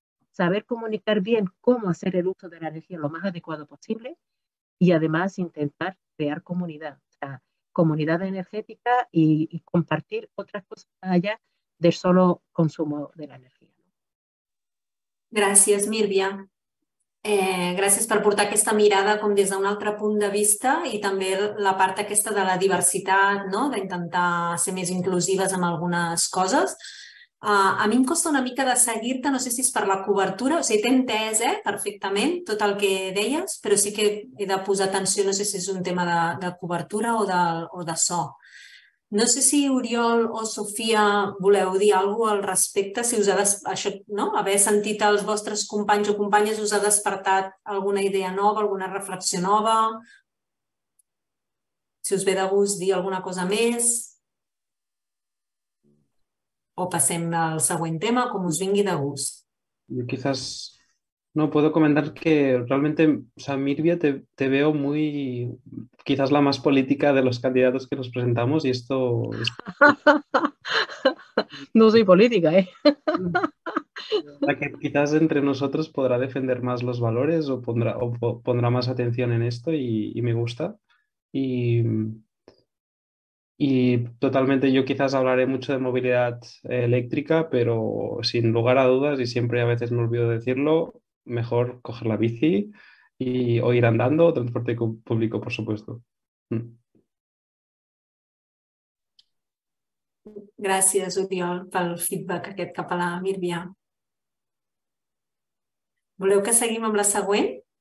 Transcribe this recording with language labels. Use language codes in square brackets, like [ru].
[es] saber comunicar bien cómo hacer el uso de la energía lo más adecuado posible y además intentar crear comunidad, o sea, comunidad energética y compartir otras cosas allá del solo consumo de la energía. [ca] Gràcies, Mírvia. Gràcies per portar aquesta mirada com des d'un altre punt de vista i també la part aquesta de la diversitat, no? D'intentar ser més inclusives amb algunes coses. A mi em costa una mica de seguir-te, no sé si és per la cobertura, o sigui, t'he entès perfectament tot el que deies, però sí que he de posar atenció, no sé si és un tema de cobertura o de so. No sé si Oriol o Sofia voleu dir alguna cosa al respecte, si us ha això, no? Haver sentit els vostres companys o companyes us ha despertat alguna idea nova, alguna reflexió nova, si us ve de gust dir alguna cosa més, o passem al següent tema, com us vingui de gust. [es] Yo quizás no puedo comentar que realmente, o sea, Mirvia, te veo muy, quizás la más política de los candidatos que nos presentamos y esto es... No soy política, ¿eh? La que quizás entre nosotros podrá defender más los valores o pondrá más atención en esto y me gusta. Y totalmente, yo quizás hablaré mucho de movilidad eléctrica, pero sin lugar a dudas, y siempre a veces me olvido decirlo, mejor coger la bici y, o ir andando, o transporte público, por supuesto. [ca] Gràcies, Oriol, pel feedback aquest cap a la Mírvia. Voleu que seguim amb la següent?